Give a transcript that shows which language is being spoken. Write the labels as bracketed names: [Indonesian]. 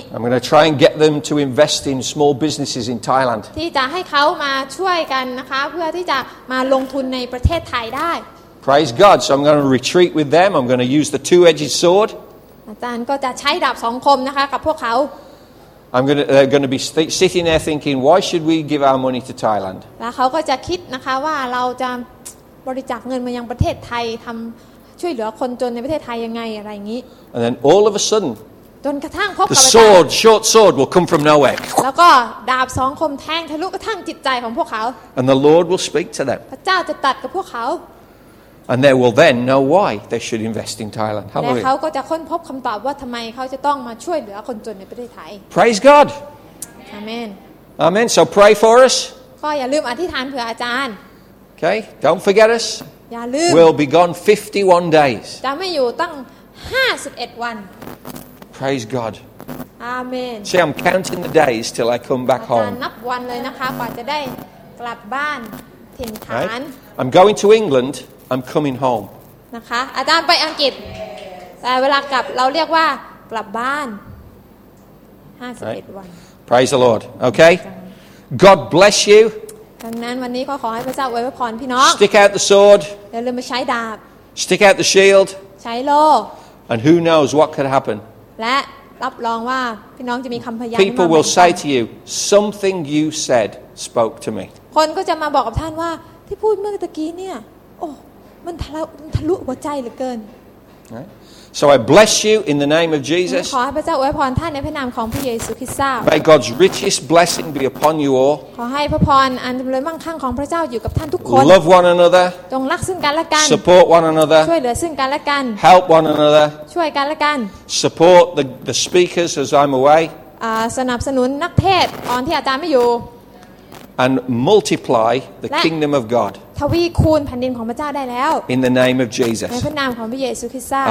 [English] I'm going to try and get them to invest in small businesses in Thailand [Thai] ที่จะให้เขามาช่วยกันนะคะเพื่อที่จะมาลงทุนในประเทศไทยได้ [English] Praise God. So I'm going to retreat with them. I'm going to use the two-edged sword. [Thai] อาจารย์ก็จะใช้ดาบสองคมนะคะกับพวกเขา [English] I'm going to they're going to be sitting there thinking, why should we give our money to Thailand? [Thai] แล้วเขาก็จะคิดนะคะว่าเราจะบริจาคเงินมายังประเทศไทยทำช่วยเหลือคนจนในประเทศไทยยังไงอะไรอย่างนี้ [English] And then all of a sudden, [Thai] จนกระทั่งพบกับ [English] the sword, short sword will come from nowhere. [Thai] แล้วก็ดาบสองคมแทงทะลุกระทั่งจิตใจของพวกเขา [English] And the Lord will speak to them. [Thai] พระเจ้าจะตัดกับพวกเขา [English] And they will then know why they should invest in Thailand. [Thai] และเขาก็จะค้นพบคำตอบว่าทำไมเขาจะต้องมาช่วยเหลือคนจนในประเทศไทย [English] Praise God. Amen. Amen. So pray for us. [Thai] ก็อย่าลืมอธิษฐานเผื่ออาจารย์ [English] Okay. Don't forget us. [Thai] อย่าลืม [English] We'll be gone 51 days. [Thai] จะไม่อยู่ตั้ง51วัน [English] Praise God. Amen. See, I'm counting the days till I come back home. [Thai] นับวันเลยนะคะกว่าจะได้กลับบ้านถิ่นฐาน [English] Right. I'm going to England. I'm coming home. [Thai] นะคะอาจารย์ไปอังกฤษแต่เวลากลับเราเรียกว่ากลับบ้าน51วัน [English] Praise the Lord. Okay. God bless you. [Thai] ดังนั้นวันนี้ก็ขอให้พระเจ้าอวยพรพี่น้อง [English] Stick out the sword. [Thai] อย่าลืมมาใช้ดาบ [English] Stick out the shield. [Thai] ใช้โล่ [English] And who knows what could happen? [Thai] และรับรองว่าพี่น้องจะมีคำพยาน [English] มาก People will say to you something you said spoke to me. [Thai] คนก็จะมาบอกกับท่านว่าที่พูดเมื่อตะกี้เนี่ยโอ้มันทะลุหัวใจเหลือเกิน [English] So I bless you in the name of Jesus. [Thai] ขอให้พระเจ้าอวยพรท่านในพระนามของพระเยซูคริสต์เจ้า [English] May God's richest blessing be upon you all. [Thai] ขอให้พระพรอันล้นมั่งคั่งของพระเจ้าอยู่กับท่านทุกคน [English] Love one another. [Thai] จงรักซึ่งกันและกัน [English] Support one another. [Thai] ช่วยเหลือซึ่งกันและกัน [English] Help one another. [Thai] ช่วยกันและกัน [English] Support the speakers as I'm away. [Thai] สนับสนุนนักเทศตอนที่อาจารย์ไม่อยู่ [English] And multiply the kingdom of God. [Thai] ทวีคูณแผ่นดินของพระเจ้าได้แล้ว [English] In the name of Jesus. [Thai] ในพระนามของพระเยซูคริสต์เจ้า